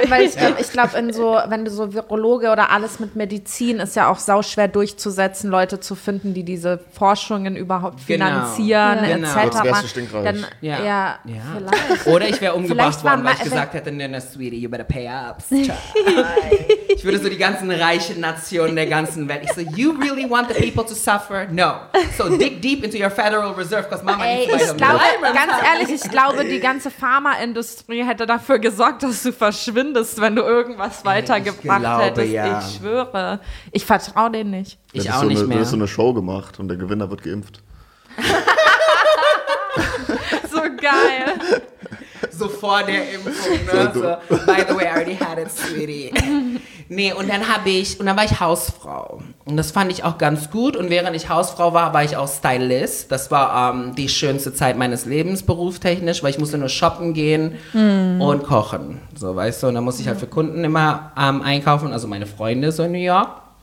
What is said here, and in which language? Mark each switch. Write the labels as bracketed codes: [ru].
[de] allem, weil ich glaube, wenn du so Virologe oder alles mit Medizin, ist ja auch sauschwer durchzusetzen, Leute zu finden, die diese Forschungen überhaupt finanzieren, etc. Genau. Ja. Jetzt wärst du stinkreich. Dann, ja. Vielleicht. Oder ich wäre umgebracht worden, weil ich gesagt hätte, ne, [en] sweetie, you better pay up. [de] Ich würde so die ganzen reichen Nationen der ganzen Welt, ich so, [en] you really want the people to suffer? No. So dig deep into your Federal Reserve, because Mama needs vitamins. [de] Ganz ehrlich, ich glaube, die ganze Pharmaindustrie hätte dafür gesorgt, dass du verschwindest, wenn du irgendwas weitergebracht hättest. Ja. Ich schwöre. Ich vertraue denen nicht. Ich auch nicht mehr. Du hast so eine Show gemacht und der Gewinner wird geimpft. So geil. So vor der Impfung. Ne? [en] So, by the way, I already had it, sweetie. [de] Nee, und dann war ich Hausfrau. Und das fand ich auch ganz gut. Und während ich Hausfrau war, war ich auch Stylist. Das war die schönste Zeit meines Lebens berufstechnisch, weil ich musste nur shoppen gehen und kochen. So, weißt du, und dann musste ich halt für Kunden immer einkaufen, also meine Freunde so in New York.